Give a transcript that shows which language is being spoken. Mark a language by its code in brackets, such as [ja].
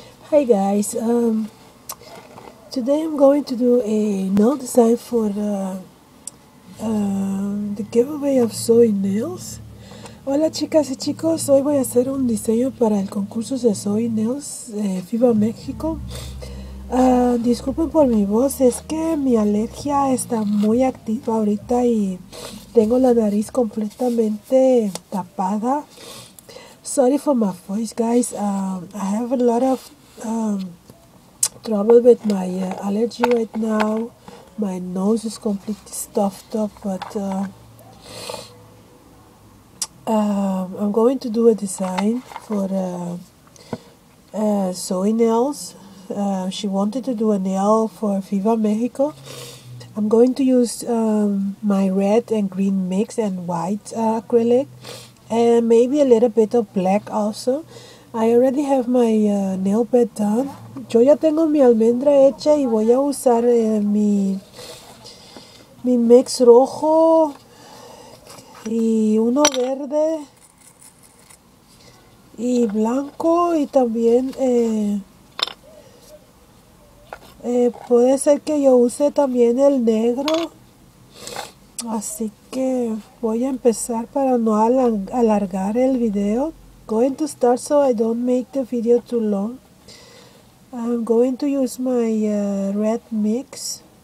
[en] Hi guys, today I'm going to do a nail design for the giveaway of Sewing Nails. [es] Hola chicas y chicos, hoy voy a hacer un diseño para el concurso de Sewing Nails FIBA México. Disculpen por mi voz, es que mi alergia está muy activa ahorita y tengo la nariz completamente tapada. [en] Sorry for my voice guys, I have a lot of trouble with my allergy right now. My nose is completely stuffed up, but I'm going to do a design for Zoe Nails. She wanted to do a nail for FIBA Mexico. I'm going to use my red and green mix and white acrylic and maybe a little bit of black also. I already have my nail bed done. [es] Yo ya tengo mi almendra hecha y voy a usar mi mix rojo y uno verde y blanco y también puede ser que yo use también el negro. Así que voy a empezar para no alargar el video. [en] Going to start so I don't make the video too long. I'm going to use my red mix.